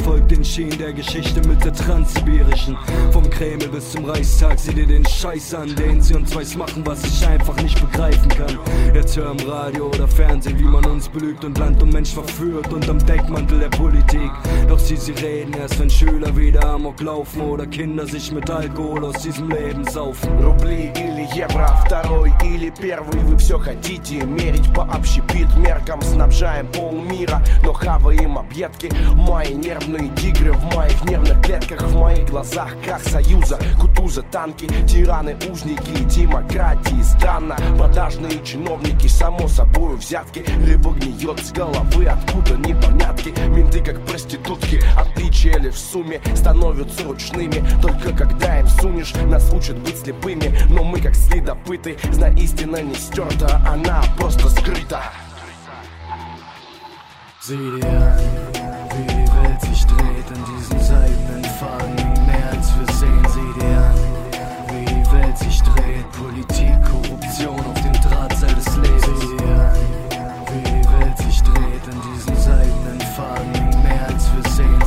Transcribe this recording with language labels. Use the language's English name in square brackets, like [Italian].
[German] Folgt den Schienen der Geschichte mit der Transsibirischen. Vom Kreml bis zum Reichstag, sieh dir den Scheiß an, den sie uns weiß machen, was ich einfach nicht begreifen kann. Jetzt hör im Radio oder Fernsehen, wie man uns belügt und Land und Mensch verführt und am Deckmantel der Politik. Doch sie reden erst, wenn Schüler wieder amok laufen oder Kinder sich mit Alkohol aus diesem Leben saufen. [Russian] Рубли или евро, второй или первый, вы все хотите мерить по общепит меркам, снабжаем полмира. Но хаваем объедки. Мои нервные тигры в моих нервных клетках, в моих глазах, как союза, кутуза, танки, тираны, узники, демократии. Странно, продажные чиновники, само собой взятки. Рыба гниет с головы, откуда непонятки. Менты, как проститутки, отличили в сумме, становятся ручными. Только когда им сунешь, нас учат быть слепыми. Но мы, как следопыты, знай, истина не стерта, она просто скрыта. [German] Sieh dir an, wie die Welt sich dreht an diesen seidenen Faden, mehr als wir sehen. Sieh dir an, wie die Welt sich dreht, Politik, Korruption auf dem Drahtseil des Lebens. Sieh dir an, wie die Welt sich dreht an diesen seidenen Faden, mehr als wir sehen.